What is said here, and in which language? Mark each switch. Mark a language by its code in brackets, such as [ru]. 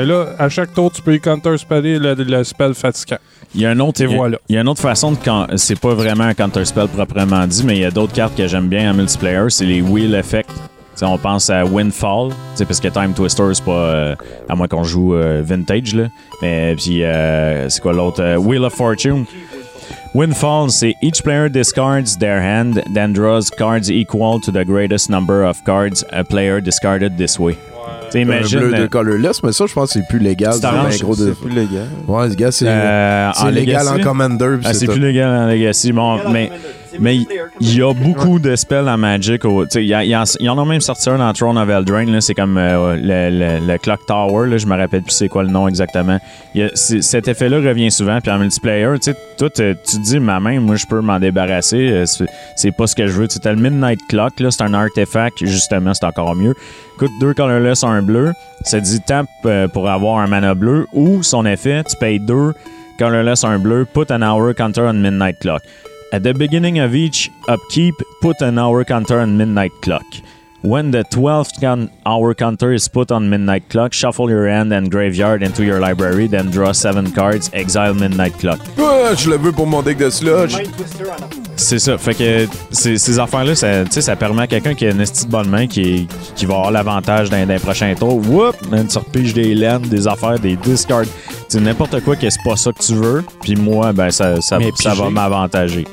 [fr] Mais là, à chaque tour, tu peux y counterspeller le spell fatigant. Il y a un autre, il y a une autre façon de quand c'est pas vraiment un counterspell proprement dit, mais il y a d'autres cartes que j'aime bien en multiplayer, c'est les Wheel Effect. T'sais, on pense à Windfall, parce que Time Twister, c'est pas à moins qu'on joue Vintage. Là. Mais puis, c'est quoi l'autre? Wheel of Fortune. [en] Windfall, c'est each player discards their hand, then draws cards equal to the greatest number of cards a player discarded this way. [fr] Ouais. Imagine, un bleu de colorless, mais ça, je pense que c'est plus légal. Plus légal. Ouais, ce gars, c'est légal en Commander. Ah, c'est plus légal en Legacy. Bon, mais. Mais il y a beaucoup de spells en Magic. Il y en a même sorti un dans Throne of Eldraine. C'est comme le Clock Tower. Là, je me rappelle plus c'est quoi le nom exactement. Cet effet-là revient souvent. Puis en multiplayer, tu dis ma main, moi je peux m'en débarrasser. C'est pas ce que je veux. T'as le Midnight Clock. Là, c'est un artefact. Justement, c'est encore mieux. Coûte 2 colorless, un bleu. Ça dit tape pour avoir un mana bleu. Ou son effet, tu payes 2 colorless, un bleu. [en] Put an hour counter on Midnight Clock. At the beginning of each upkeep, put an hour counter on midnight clock. When the 12th hour counter is put on midnight clock, shuffle your hand and graveyard into your library, then draw 7 cards, exile midnight clock. [fr] Ah, je le veux pour mon deck de sludge. C'est ça, fait que ces affaires-là, ça permet à quelqu'un qui a une petite bonne main qui va avoir l'avantage dans les prochains tours. Whoop! Man, tu repiges des lands, des affaires, des discards. C'est n'importe quoi que c'est pas ça que tu veux. Puis moi, ben ça va m'avantager.